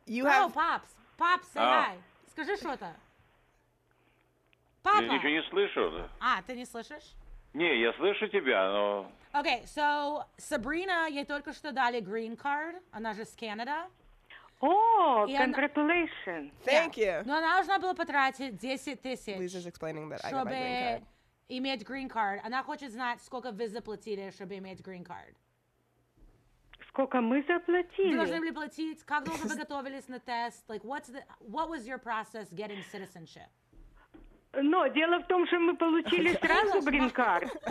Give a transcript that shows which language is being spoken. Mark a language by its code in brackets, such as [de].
[en] You have Pops. Pops, say hi. [ru] Скажи что-то. Папа. Я не слышу. А, ты не слышишь? Не, я слышу тебя, но... [en] Okay, so [ru] Sabrina, ей только что дали green card. Она же с Канады. [en] Oh, congratulations. Thank you. [ru] Но она должна была потратить 10 тысяч. [en] Lisa's explaining that I got my green card. [ru] Иметь green card. Она хочет знать, сколько вы заплатили, чтобы иметь green card. Сколько мы заплатили? Вы должны были платить. Как долго вы готовились на тест? [en] Like, what was your process getting citizenship? [ru] Но дело в том, что мы получили сразу green card.